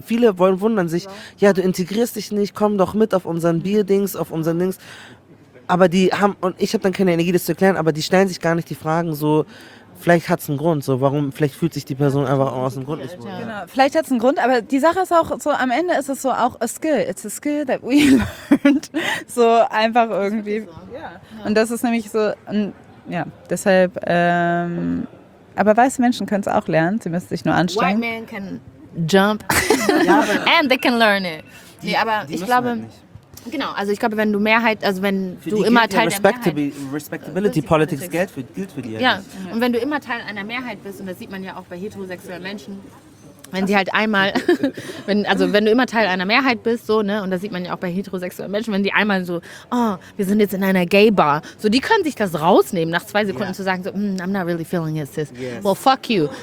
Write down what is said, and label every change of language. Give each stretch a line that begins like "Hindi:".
German: Viele wundern sich, ja, du integrierst dich nicht, komm doch mit auf unseren Bierdings, auf unseren Dings. Aber die haben, und ich habe dann keine Energie, das zu erklären, aber die stellen sich gar nicht die Fragen so, vielleicht hat es einen Grund, so, warum, vielleicht fühlt sich die Person einfach auch aus dem Grund nicht wohl. Genau, vielleicht hat es einen Grund, aber die Sache ist auch so, am Ende ist es so auch
English: a skill. It's a skill that we learned.
German: So einfach irgendwie. Und das ist nämlich so, ja, deshalb, aber weiße Menschen können es auch lernen, sie müssen sich nur anstrengen.
English: White men can jump and they can learn it.
German: Nee, aber ich glaube... Genau, also ich glaube, wenn du Mehrheit, also wenn für du immer Teil der Mehrheit... Respectability Politics gilt für dir. Ja, und wenn du immer Teil einer Mehrheit bist, und das sieht man ja auch bei heterosexuellen Menschen, wenn sie halt einmal, wenn du immer Teil einer Mehrheit bist, so, ne, und das sieht man ja auch bei heterosexuellen Menschen, wenn die einmal so, oh, wir sind jetzt in einer Gay-Bar, so, die können sich das rausnehmen, nach 2 Sekunden zu sagen, so,
English: I'm not really feeling it, sis. Yes. Well, fuck you.